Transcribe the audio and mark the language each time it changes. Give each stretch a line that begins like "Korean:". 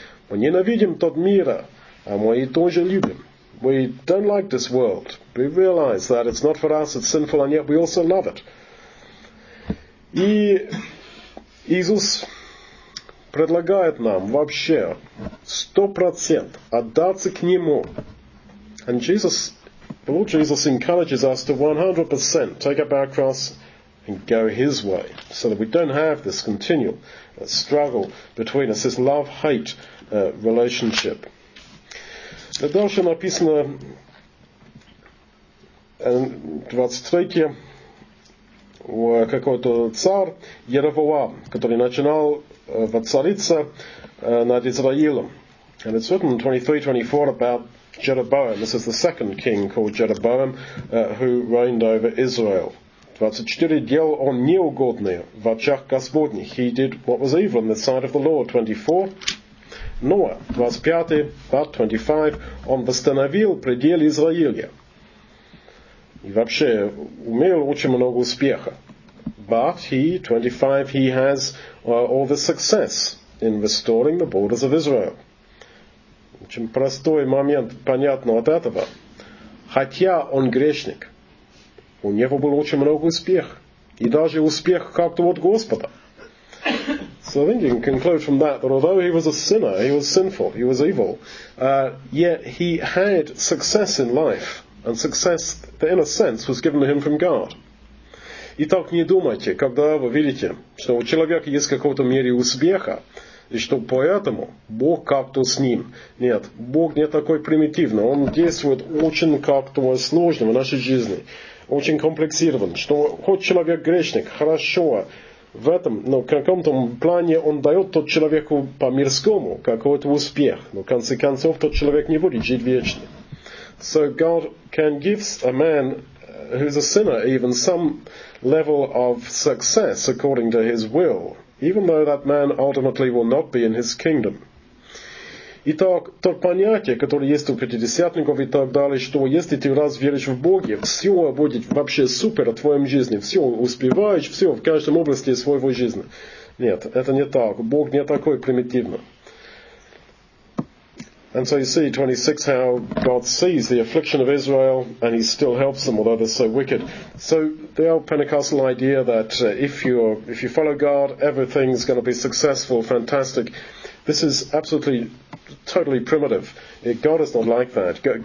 Russian: Мы ненавидим тот мир, а мы и тоже любим.
English: We don't like this world. We realize that it's not for us, it's sinful, and yet we also love it.
Russian: И Иисус предлагает нам вообще 100% отдаться к Нему.
English: And Jesus, the Lord Jesus encourages us to 100% take up our cross and go His way, so that we don't have this continual struggle between us, this love-hate relationship.
Russian: Дальше написано 23-е. Какой-то царь Еровоам, который начинал воцариться над Израилем.
English: And it's written in 23-24 about Jeroboam. This is the second king called Jeroboam, who reigned over Israel.
Russian: 24, дел он неугодный в очах Господних.
English: He did what was evil in the sight of the Lord.
Russian: 24, Ноа, 25,
English: about 25,
Russian: он восстановил предел Израиля. И вообще, умел очень много успеха.
English: But he, 25, he has all the success in restoring the borders of Israel.
Russian: Очень простой момент, понятно от этого. Хотя он грешник, у него был очень много успех. И даже успех как-то от Господа.
English: So I think you can conclude from that, that although he was a sinner, he was sinful, he was evil, yet he had success in life, and success that in a sense was given to him from God.
Russian: Итак, не думайте, когда вы видите, что у человека есть какой-то мере успеха, и что поэтому Бог как-то с ним. Нет, Бог не такой примитивный. Он действует очень как-то сложно в нашей жизни. Очень комплексирован. Что хоть человек грешник, хорошо в этом, но в каком-то плане он дает тот человеку по-мирскому какой-то успех. Но в конце концов тот человек не будет жить вечно.
English: So God can give a man who's a sinner even some level of success according to his will, even though that man ultimately will not be in his kingdom.
Russian: Итак, то понятие, которое есть у пятидесятников и так далее, что если ты раз веришь в Бога, все будет вообще супер в твоем жизни, все успеваешь, все в каждом области своего жизни. Нет, это не так. Бог не такой примитивный.
English: And so you see, 26, how God sees the affliction of Israel and he still helps them, although they're so wicked. So the old Pentecostal idea that if you follow God, everything's going to be successful, fantastic. This is absolutely, totally primitive. God is not like that.